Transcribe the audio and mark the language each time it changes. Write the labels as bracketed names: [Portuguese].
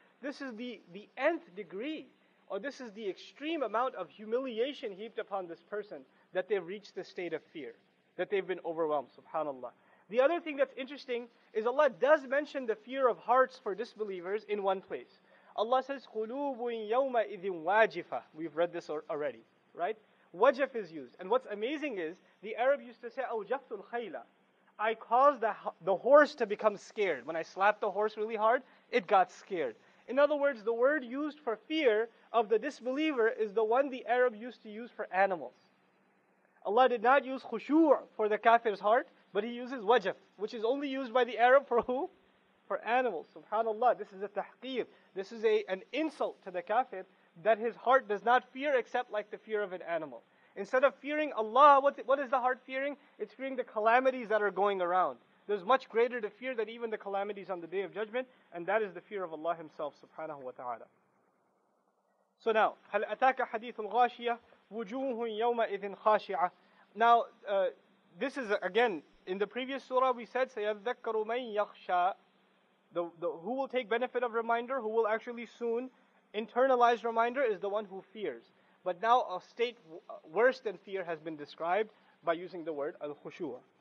[English] This is the nth degree, or this is the extreme amount of humiliation heaped upon this person, that they've reached the state of fear, that they've been overwhelmed, subhanAllah. The other thing that's interesting is Allah does mention the fear of hearts for disbelievers in one place. Allah says, [Arabic] قُلُوبٌ يَوْمَئِذٍ وَاجِفَةٌ. [English] We've read this already, right? Wajif is used. And what's amazing is, the Arab used to say, [Arabic] أَوْجَفْتُ الْخَيْلَ. [English] I caused the horse to become scared. When I slapped the horse really hard, it got scared. In other words, the word used for fear of the disbeliever is the one the Arab used to use for animals. Allah did not use khushu' for the kafir's heart, but he uses wajif, which is only used by the Arab for who? For animals, subhanAllah. This is a tahqeer. This is an insult to the kafir that his heart does not fear except like the fear of an animal. Instead of fearing Allah, what is the heart fearing? It's fearing the calamities that are going around. there's much greater to fear than even the calamities on the Day of Judgment, and that is the fear of Allah Himself, subhanahu wa ta'ala. So now, [Arabic] هَلْ أَتَاكَ حَدِيثُ الْغَاشِيَةِ وُجُوهٌ يَوْمَئِذٍ خَاشِعَةٍ. [English] Now, this is again, in the previous surah we said, [Arabic] سَيَذَّكَّرُ مَنْ يَخْشَىٰ. [English] Who will take benefit of reminder, who will actually soon internalize reminder, is the one who fears. But now a state worse than fear has been described by using the word al-khushu'.